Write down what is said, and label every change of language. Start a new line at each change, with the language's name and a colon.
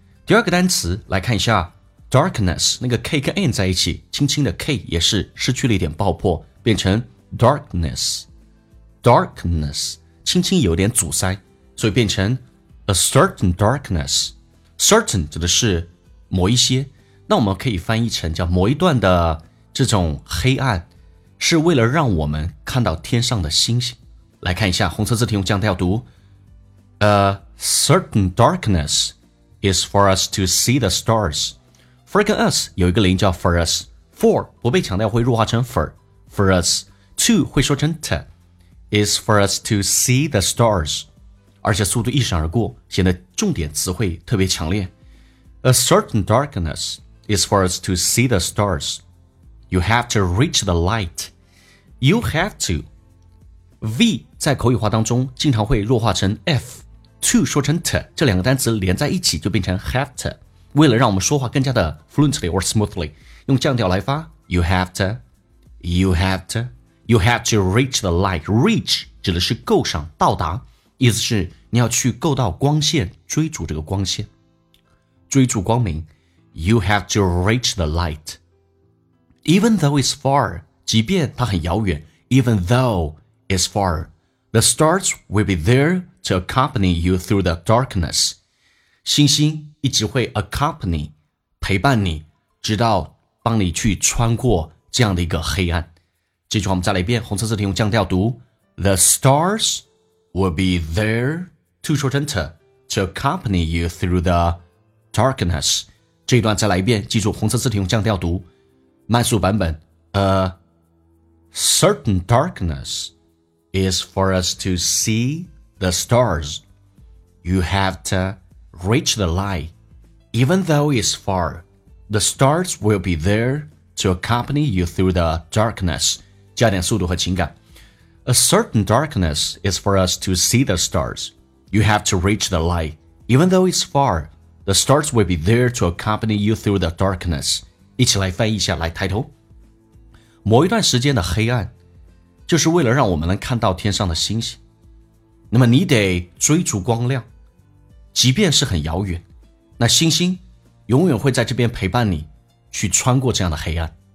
Chinese: 第二个单词来看一下 darkness， 那个 K 跟 N 在一起，轻轻的 K 也是失去了一点爆破，变成 darkness, darkness， 轻轻有点阻塞，所以变成
English: a certain darkness。
Chinese: Certain 指的是某一些，那我们可以翻译成叫某一段的这种黑暗是为了让我们看到天上的星星。来看一下红色字体用降调读，
English: A certain darkness is for us to see the stars.
Chinese: For 跟 us 有一个连叫 for us, for 不被强调会弱化成 for us, to 会说成 t,
English: is for us to see the stars.
Chinese: 而且速度一闪而过，显得重点词汇特别强烈。
English: A certain darkness is for us to see the stars. You have to reach the light. You have to.
Chinese: V 在口语化当中经常会弱化成 F, to 说成 t, 这两个单词连在一起就变成 have to. 为了让我们说话更加的
English: fluently or smoothly,
Chinese: 用降调来发
English: you have to, you have to, you have to reach the light.
Chinese: Reach 指的是够上，到达，意思是你要去够到光线，追逐这个光线，追逐光明。
English: You have to reach the light. Even though it's far,
Chinese: 即便它很遥远，
English: Even though it's far, the stars will be there to accompany you through the darkness.
Chinese: 星星一直会 accompany, 陪伴你，直到帮你去穿过这样的一个黑暗。记住我们再来一遍，红色字体用降调读，
English: The starswill be there to shorten to accompany you through the darkness.
Chinese: 这一段再来一遍，记住红色字体用降调读，慢速版本。
English: Certain darkness is for us to see the stars. You have to reach the light. Even though it's far, the stars will be there to accompany you through the darkness.
Chinese: 加点速度和情感。
English: A certain darkness is for us to see the stars. You have to reach the light. Even though it's far, the stars will be there to accompany you through the darkness.
Chinese: 一起来翻译一下，来抬头。某一段时间的黑暗，就是为了让我们能看到天上的星星。那么你得追逐光亮，即便是很遥远，那星星永远会在这边陪伴你，去穿过这样的黑暗。